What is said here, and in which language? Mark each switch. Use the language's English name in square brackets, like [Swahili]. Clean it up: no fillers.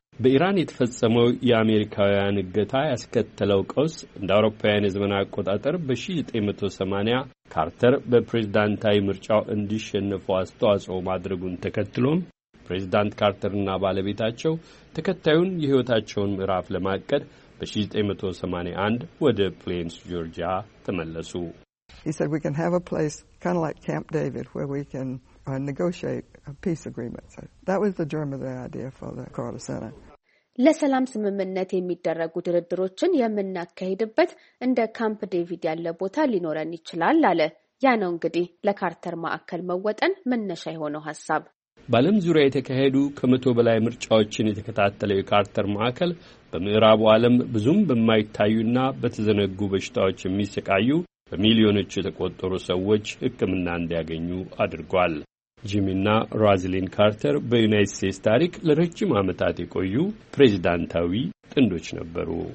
[Amharic] በኢራን የተፈጸመው የአሜሪካውያን እገታ ያስከተለው ቀውስ እንደ አውሮፓውያን የዘመን አቆጣጠር በ1980 ካርተር በፕሬዝዳንታዊ ምርጫው እንዲሸነፉ አስተዋጽኦ ማድረጉን ተከትሎም ፕሬዝዳንት ካርተርና ባለቤታቸው ተከታዩን የሕይወታቸውን ምዕራፍ ለማቀድ በ1981 ወደ ፕሌንስ ጆርጂያ ተመለሱ። [English] He said we can have a place kind of like Camp David where we can negotiate a peace agreement. So that was the germ of the idea for the Carter Center. [Amharic] ለሰላም ስምምነት የሚደረጉ ድርድሮችን የምናካሄድበት እንደ ካምፕ ዴቪድ ያለ ቦታ ሊኖረን ይችላል አለ። ያ ነው እንግዲህ ለካርተር ማዕከል መወጠን መነሻ የሆነው ሐሳብ። በዓለም ዙሪያ የተካሄዱ ከመቶ በላይ ምርጫዎችን የተከታተለው የካርተር ማዕከል በምዕራቡ ዓለም ብዙም በማይታዩና በተዘነጉ በሽታዎች የሚሰቃዩ በሚሊዮኖች የተቆጠሩ ሰዎች ሕክምና እንዲያገኙ አድርጓል። ጂሚና ራዝሊን ካርተር በዩናይትድ ስቴትስ ታሪክ ለረጅም ዓመታት የቆዩ ፕሬዚዳንታዊ ጥንዶች ነበሩ።